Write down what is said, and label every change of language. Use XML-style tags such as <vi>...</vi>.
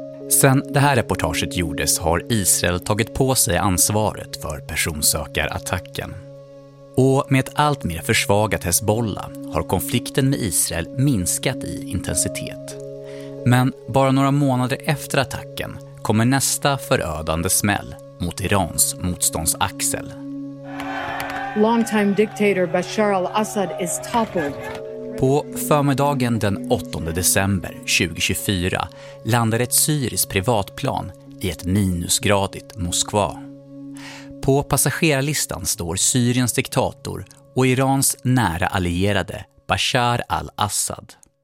<sv>Sen det här reportaget gjordes har Israel tagit på sig ansvaret för personsökarattacken. Och med ett allt mer försvagat Hezbollah har konflikten med Israel minskat i intensitet. Men bara några månader efter attacken kommer nästa förödande smäll mot Irans motståndsaxel.</sv> <en>Longtime dictator Bashar al-Assad is toppled.</en> <sv>På förmiddagen den 8 december 2024 landar ett syriskt privatplan i ett minusgradigt Moskva. På passagerarlistan står Syriens diktator och Irans nära allierade Bashar al-Assad.</sv>